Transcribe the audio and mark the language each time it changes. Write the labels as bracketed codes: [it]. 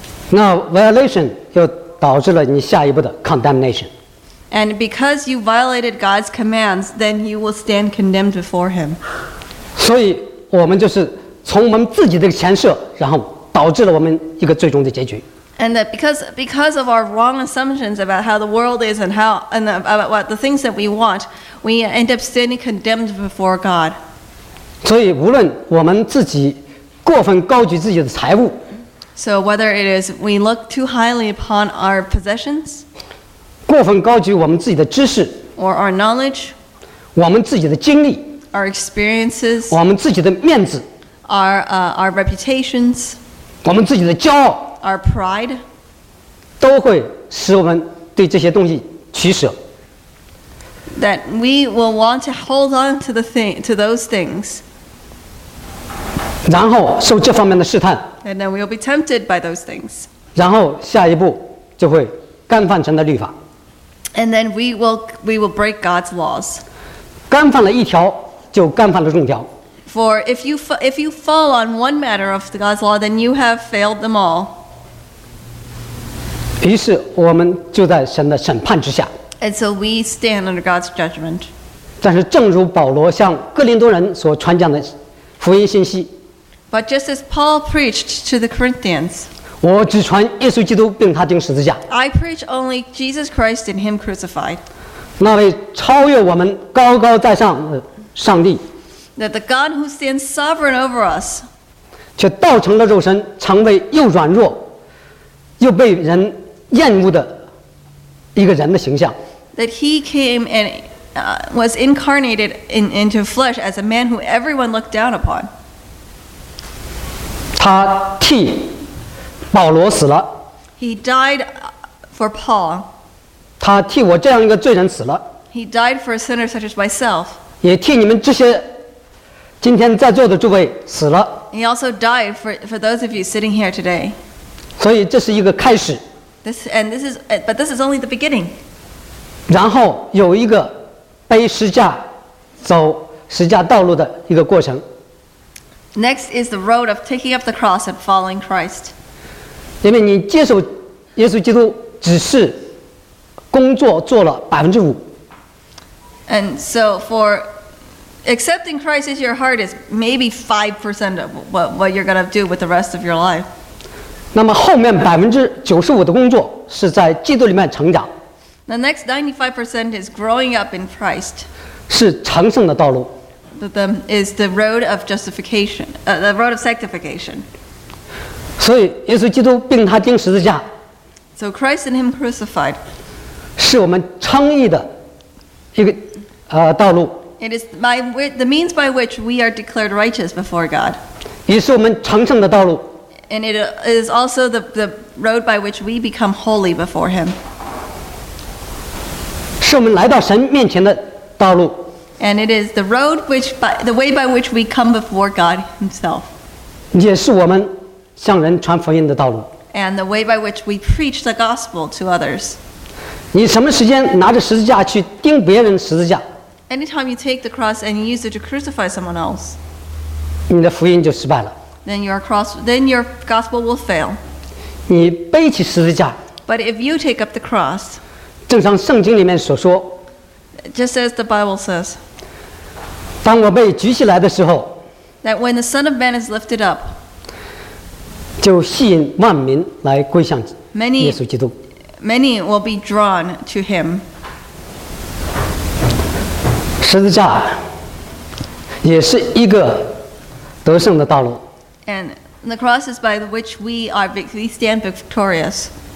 [zh] 那 violation 又导致了你下一步的 condemnation. [en] And because you violated God's commands, then you will stand condemned before Him. [zh] 所以我们就是从我们自己的前设，然后导致了我们一个最终的结局。 [en] And that because of our wrong assumptions about how the world is and how and about what the things that we want, we end up standing condemned before God. [zh] 所以无论我们自己过分高举自己的财物 [en] ，So whether it is we look too highly upon our possessions. [zh] 过分高举我们自己的知识 [en] or our knowledge, [zh] 我们自己的经历 [en] our experiences, [zh] 我们自己的面子 [en] our reputations, [zh] 我们自己的骄傲 [en] our pride, [zh] 都会使我们对这些东西取舍 [en] that we will want to hold on to those things, [zh] 然后受这方面的试探 [en] and then we'll be tempted by those things, [zh] 然后下一步就会干犯神的律法 [en] And then we will break God's laws. [zh] 干犯了一条，就干犯了众条。 [en] For if you fall on one matter of God's law, then you have failed them all. [zh] 于是我们就在神的审判之下。 [en] And so we stand under God's judgment. [zh] 但是正如保罗向哥林多人所传讲的福音信息。 [en] But just as Paul preached to the Corinthians. [zh] 我只传耶稣基督并他钉十字架。 [en] I preach only Jesus Christ and Him crucified. [zh] 那位超越我们高高在上的上帝。 [en] That the God who stands sovereign over us. [zh] 却道成了肉身，成为又软弱又被人厌恶的一个人的形象。 [en] That He came and was incarnated into flesh as a man who everyone looked down upon. [zh] 他替保罗死了。 [en] He died for Paul. [zh] 他替我这样一个罪人死了。 [en] He died for a sinner such as myself. [zh] 也替你们这些今天在座的诸位死了。 [en] He also died for those of you sitting here today. [zh] 所以这是一个开始。 [en] This is only the beginning. [zh] 然后有一个背十字架、走十字架道路的一个过程。 [en] Next is the road of taking up the cross and following Christ. [zh] 因为你接受耶稣基督只是工作做了5%。 [en] And so for accepting Christ as your heart is maybe 5% of what you're going to do with the rest of your life. [zh] 那么后面95%的工作是在基督里面成长。 [en] The next 95% is growing up in Christ. [zh] 是成圣的道路。 [en] The is the road of justification, the road of sanctification. [zh] 所以耶稣基督并他钉十字架 [en] So Christ and Him crucified [zh] 是我们称义的一个道路 [en] It is the means by which we are declared righteous before God [zh] 也是我们成圣的道路 [en] And it is also the road by which we become holy before Him [zh] 是我们来到神面前的道路 [en] and it is the road which by, the way by which we come before God himself. [zh] 也是我们向人传福音的道路。 [en] And the way by which we preach the gospel to others. [zh] 你什么时间拿着十字架去钉别人十字架？ [en] Anytime you take the cross and use it to crucify someone else. [zh] 你的福音就失败了。 [en] Then your gospel will fail. [zh] 你背起十字架。 [en] But if you take up the cross, [zh] 正像圣经里面所说， [en] just as the Bible says, [zh] 当我被举起来的时候， [en] that when the Son of Man is lifted up, [zh] 就吸引万民来归向耶稣基督。 [en] Many will be drawn to him. [zh] 十字架也是一个得胜的道路。 [en] And the cross is by which we stand victorious.